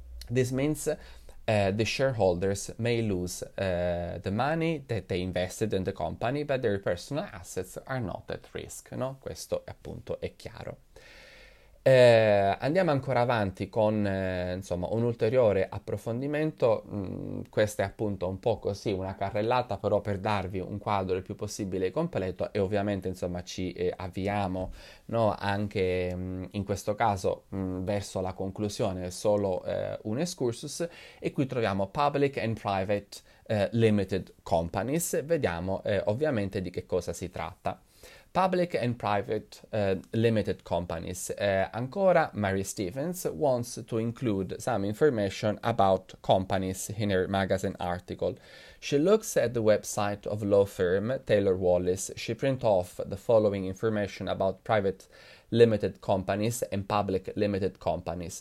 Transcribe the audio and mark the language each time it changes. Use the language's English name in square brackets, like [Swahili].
[English] This means the shareholders may lose the money that they invested in the company, but their personal assets are not at risk. No? [Italian] Questo appunto è chiaro. Andiamo ancora avanti con insomma un ulteriore approfondimento. Questa è appunto un po' così, una carrellata, però per darvi un quadro il più possibile completo, e ovviamente insomma ci avviamo, no, anche in questo caso verso la conclusione, solo un excursus, e qui troviamo public and private limited companies. Vediamo ovviamente di che cosa si tratta. [English] Public and private limited companies. Ancora, Mary Stevens wants to include some information about companies in her magazine article. She looks at the website of law firm Taylor Wallace. She prints off the following information about private limited companies and public limited companies.